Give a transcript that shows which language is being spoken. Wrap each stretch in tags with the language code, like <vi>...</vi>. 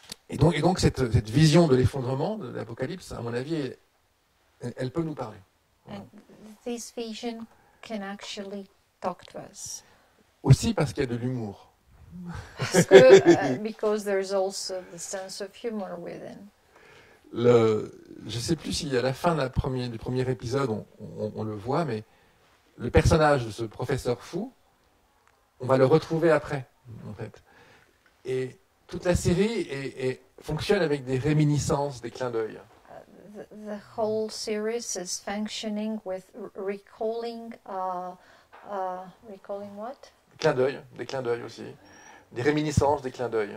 <fr>Et donc cette vision de l'effondrement de l'apocalypse, à mon avis, elle peut nous parler.</fr> <en>And this vision can actually talk to us.</en> <fr>Aussi parce qu'il y a de l'humour.</fr> <en>Because there is also the sense of humor within.</en> <fr>Je ne sais plus si à la fin du premier épisode, on le voit, mais le personnage de ce professeur fou, on va le retrouver après, en fait. Et toute la série fonctionne avec des réminiscences, des clins d'œil.</fr> <en>The whole series is functioning with recalling what?</en> <fr>Clin d'œil, des clins d'œil aussi, des réminiscences, des clins d'œil.</fr>